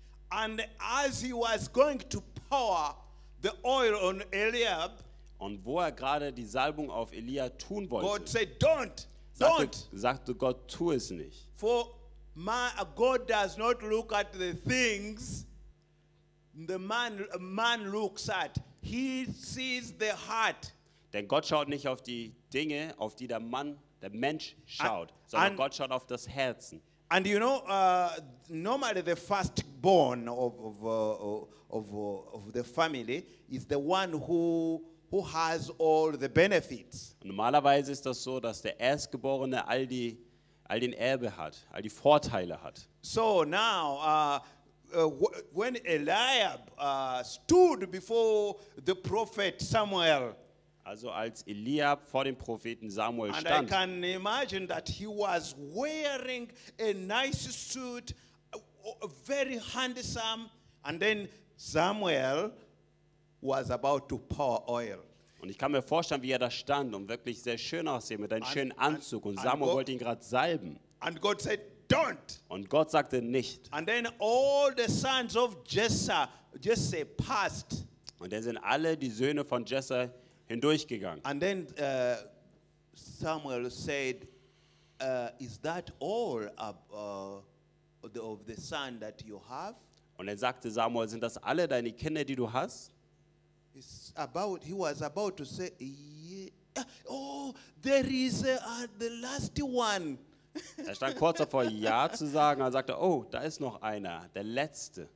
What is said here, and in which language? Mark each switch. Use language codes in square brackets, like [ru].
[en] And as he was going to pour the oil on Eliab, [de] und wo er gerade die Salbung auf Eliab tun wollte, [en] God said, "Don't." [de] Sagte Gott, tu es nicht. [en] For God does not look at the things the man looks at. He sees the heart. [de] Denn Gott schaut nicht auf die Dinge, auf die der Mann, der Mensch schaut, sondern Gott schaut auf das Herzen. [en] And you know, normally the firstborn of the family is the one who has all the benefits. [de] Normalerweise ist das so, dass der Erstgeborene all den Erbe hat, all die Vorteile hat. [en] So now, when Eliab stood before the prophet Samuel, [de] also als Eliab vor dem Propheten Samuel stand, [en] and I can imagine that he was wearing a nice suit, very handsome, and then Samuel was about to pour oil. [de] Und ich kann mir vorstellen, wie er da stand und wirklich sehr schön aussehen mit einem schönen Anzug. Und Samuel wollte ihn gerade salben. [en] And God said, don't. [de] Und Gott sagte nicht. [en] And then all the sons of Jesse passed. [de] Und dann sind alle die Söhne von Jesse hindurchgegangen. [en] And then Samuel said, is that all of the son that you have? [de] Und dann sagte Samuel, sind das alle deine Kinder, die du hast? [en] He was about to say, yeah. Oh, there is the last one. [de] Er stand kurz davor, ja zu sagen. Er sagte, oh, da ist noch einer, der letzte.